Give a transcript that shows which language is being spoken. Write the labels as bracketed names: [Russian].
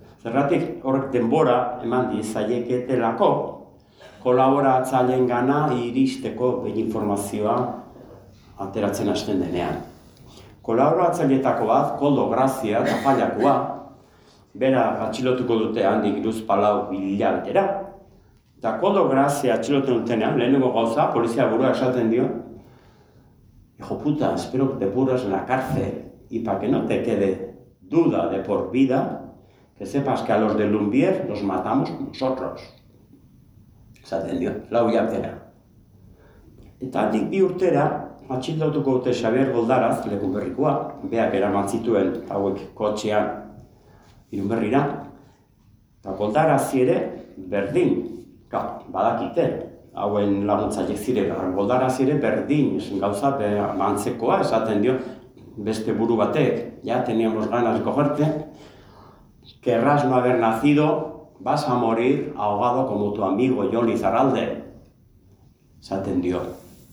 [Basque] Zerratik horrek denbora eman diezaieketelako kolaboratzaileen gana iristeko behin informazioa ateratzen hasten denean. Kolaboratzaileetako bat, Koldo Grazia, Tafallakoa, bera atxilotuko dute handik iruzpalau hilabetera. Eta Koldo Grazia atxilotu dutenean, lehenengo gauza, polizia burua esaten dio, [Spanish] hijo puta, espero que te puras en la cárcel y para que no te quede duda de por vida, que sepas que a los de Lumbier los matamos nosotros. [Basque] Esaten dio, lau hilabetera. Eta handik bi urtera, atxilotuko dute Xabier Goldaraz, Lekunberrikoa, beak eraman zituen hauek kotxean Irunberrira. Eta Goldaraz ere berdin, ka, badakite, hauen laguntzaiek ziren, Goldaraz ere berdin, esan gauza, antzekoa esaten dio, beste buru batek, [Spanish] ja, teníamos ganas de cogerte, querrás no haber nacido, vas a morir ahogado como tu amigo Jon Lizarralde, [Basque] esaten dio.